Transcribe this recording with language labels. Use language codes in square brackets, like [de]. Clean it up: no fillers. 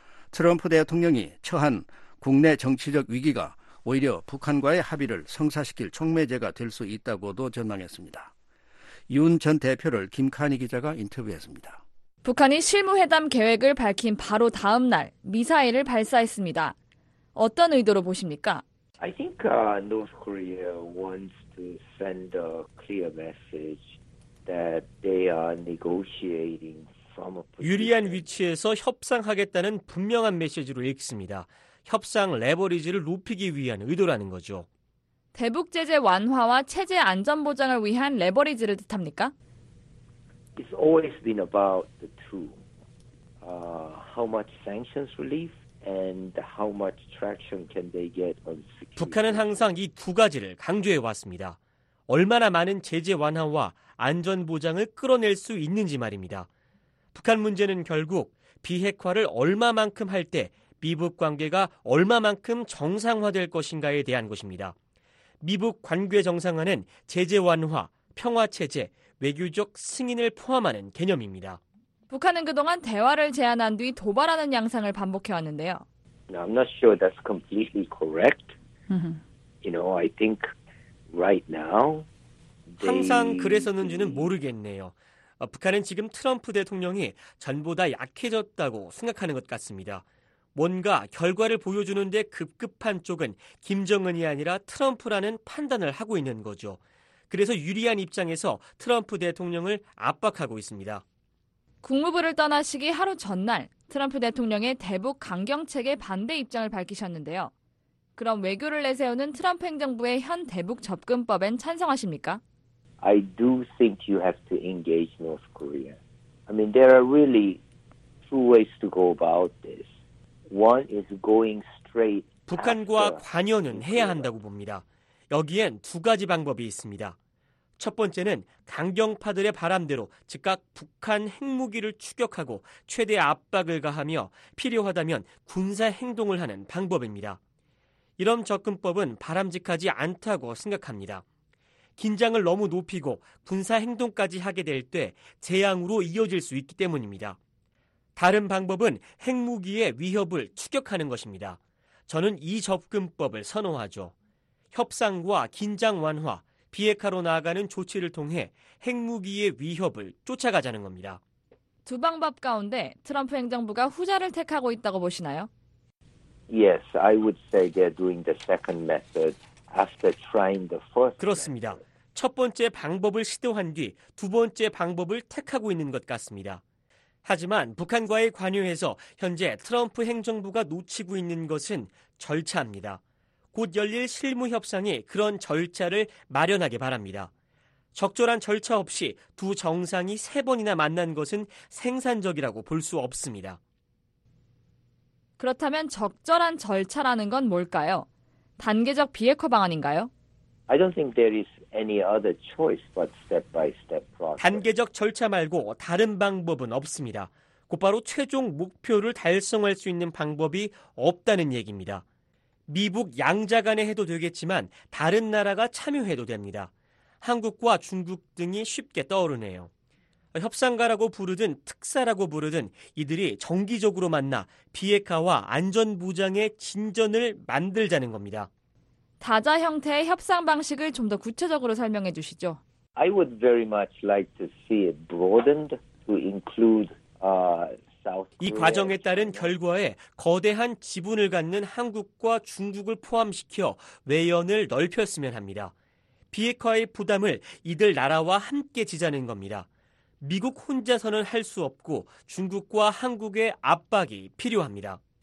[ko] 트럼프 대통령이 처한 국내 정치적 위기가 오히려 북한과의 합의를 성사시킬 촉매제가 될 수 있다고도 전망했습니다. 윤 전 대표를 김카니 기자가 인터뷰했습니다. 북한이 실무회담 계획을 밝힌 바로 다음 날 미사일을 발사했습니다. 어떤 의도로 보십니까? [en] I think North Korea wants to send a clear message that they are negotiating from a position. [ko] 유리한 위치에서 협상하겠다는 분명한 메시지로 읽습니다. 협상 레버리지를 높이기 위한 의도라는 거죠. 대북 제재 완화와 체제 안전 보장을 위한 레버리지를 뜻합니까? [en] It's always been about the two. How much sanctions relief and how much traction can they get on security. [ko] 북한은 항상 이 두 가지를 강조해 왔습니다. 얼마나 많은 제재 완화와 안전 보장을 끌어낼 수 있는지 말입니다. 북한 문제는 결국 비핵화를 얼마만큼 할 때 미북 관계가 얼마만큼 정상화될 것인가에 대한 것입니다. 미북 관계 정상화는 제재 완화, 평화 체제, 외교적 승인을 포함하는 개념입니다. 북한은 그동안 대화를 제안한 뒤 도발하는 양상을 반복해 왔는데요. [en] I'm not sure that's completely correct. You know, I think right now. [ko] 항상 그랬었는지는 모르겠네요. 북한은 지금 트럼프 대통령이 전보다 약해졌다고 생각하는 것 같습니다. 뭔가 결과를 보여주는데 급급한 쪽은 김정은이 아니라 트럼프라는 판단을 하고 있는 거죠. 그래서 유리한 입장에서 트럼프 대통령을 압박하고 있습니다. 국무부를 떠나시기 하루 전날 트럼프 대통령의 대북 강경책에 반대 입장을 밝히셨는데요. 그럼 외교를 내세우는 트럼프 행정부의 현 대북 접근법엔 찬성하십니까? [en] I do think you have to engage North Korea. I mean, there are really two ways to go about this. One is going straight. [ko] 북한과 관여는 해야 한다고 봅니다. 여기엔 두 가지 방법이 있습니다. 첫 번째는 강경파들의 바람대로 즉각 북한 핵무기를 추격하고 최대 압박을 가하며 필요하다면 군사 행동을 하는 방법입니다. 이런 접근법은 바람직하지 않다고 생각합니다. 긴장을 너무 높이고 군사 행동까지 하게 될 때 재앙으로 이어질 수 있기 때문입니다. 다른 방법은 핵무기의 위협을 추격하는 것입니다. 저는 이 접근법을 선호하죠. 협상과 긴장 완화, 비핵화로 나아가는 조치를 통해 핵무기의 위협을 쫓아가자는 겁니다. 두 방법 가운데 트럼프 행정부가 후자를 택하고 있다고 보시나요? [en] Yes, I would say they're doing the second method after trying the first. [ko] 그렇습니다. 첫 번째 방법을 시도한 뒤 두 번째 방법을 택하고 있는 것 같습니다. 하지만 북한과의 관여에서 현재 트럼프 행정부가 놓치고 있는 것은 절차입니다. 곧 열릴 실무협상이 그런 절차를 마련하게 바랍니다. 적절한 절차 없이 두 정상이 세 번이나 만난 것은 생산적이라고 볼 수 없습니다. 그렇다면 적절한 절차라는 건 뭘까요? 단계적 비핵화 방안인가요? [en] I don't think there is any other choice but step-by-step process. [ko] 단계적 절차 말고 다른 방법은 없습니다. 곧바로 최종 목표를 달성할 수 있는 방법이 없다는 얘기입니다. 미북 양자 간에 해도 되겠지만 다른 나라가 참여해도 됩니다. 한국과 중국 등이 쉽게 떠오르네요. 협상가라고 부르든 특사라고 부르든 이들이 정기적으로 만나 비핵화와 안전보장의 진전을 만들자는 겁니다. 다자 형태의 협상 방식을 좀 더 구체적으로 설명해 주시죠. [en] I would very much like to see it broadened to include South Korea. [ko] 이 과정에 따른 결과에 거대한 지분을 갖는 한국과 중국을 포함시켜 외연을 넓혔으면 합니다. 비핵화의 부담을 이들 나라와 함께 지자는 겁니다. 미국 혼자서는 할 수 없고 중국과 한국의 압박이 필요합니다.